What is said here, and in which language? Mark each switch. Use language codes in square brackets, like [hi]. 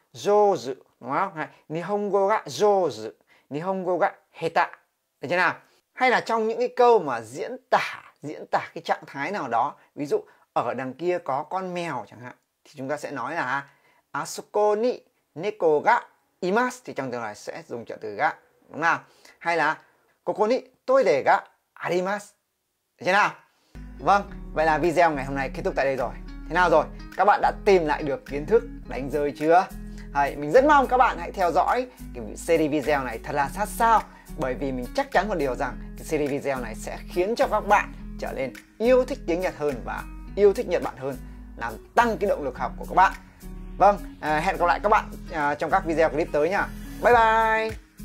[vi] Jozu, đúng không? Hay, [ja] Nihongo ga jozu, Nihongo ga heta. [vi] Được chưa nào? Hay là trong những cái câu mà diễn tả cái trạng thái nào đó, ví dụ ở đằng kia có con mèo chẳng hạn, thì chúng ta sẽ nói là [ja] asuko ni neko ga imasu, [vi] thì trong trường này sẽ dùng trợ từ ga, đúng không? Hay là [ja] ここにトイレがあります。 [vi] Thế nào? Vâng, vậy là video ngày hôm nay kết thúc tại đây rồi. Thế nào rồi? Các bạn đã tìm lại được kiến thức đánh rơi chưa? Hay, mình rất mong các bạn hãy theo dõi cái series video này thật là sát sao, bởi vì mình chắc chắn một điều rằng cái series video này sẽ khiến cho các bạn trở nên yêu thích tiếng Nhật hơn và yêu thích Nhật Bản hơn, làm tăng cái động lực học của các bạn. Vâng, hẹn gặp lại các bạn trong các video clip tới nha. Bye bye.